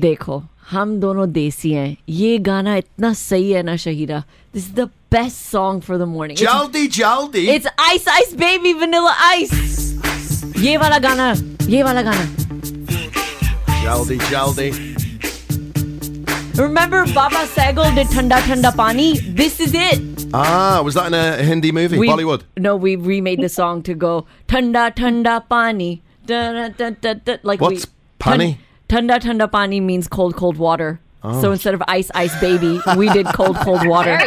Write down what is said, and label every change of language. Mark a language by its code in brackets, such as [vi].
[hi] देखो, हम दोनों देसी हैं। ये गाना इतना सही है ना, Shahida. [en] This is the best song for the morning. [hi] Jaldi, jaldi. [en] It's Ice Ice Baby, Vanilla Ice. [hi] ये वाला गाना। ये वाला गाना। Jaldi, jaldi. [en] Remember Baba Sehgal did Thanda Thanda Pani? This is it. Ah, was that in a Hindi movie? Bollywood? No, we remade the song to go Thanda Thanda Pani. Da, da, da, da, da. Like what's Pani? Thanda Thanda Pani means cold, cold water. Oh. So instead of Ice Ice Baby, we did cold, cold water.